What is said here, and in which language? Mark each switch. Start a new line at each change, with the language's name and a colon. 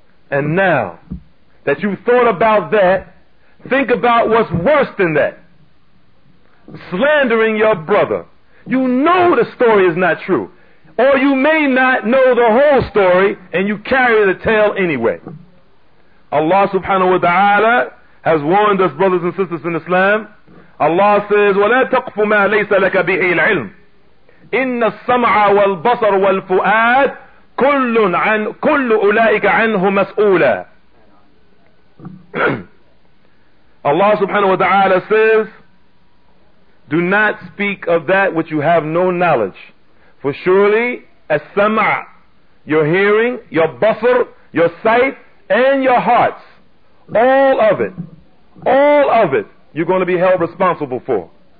English: And now that you've thought about that, think about what's worse than that. Slandering your brother. You know the story is not true. Or you may not know the whole story, and you carry the tale anyway. Allah subhanahu wa ta'ala has warned us, brothers and sisters in Islam.
Arabic: Allah says, وَلَا تَقْفُ مَا لَيْسَ لَكَ بِهِ الْعِلْمِ إِنَّ السَّمْعَ وَالْبَصَرُ وَالْفُؤَادِ كُلُّ أُولَٰئِكَ عَنْهُ مَسْئُولًا.
English: Allah subhanahu wa ta'ala says, do not speak of that which you have no knowledge. For surely, as-sama', your hearing, your basr, your sight, and your hearts, all of it, you're going to be held responsible for.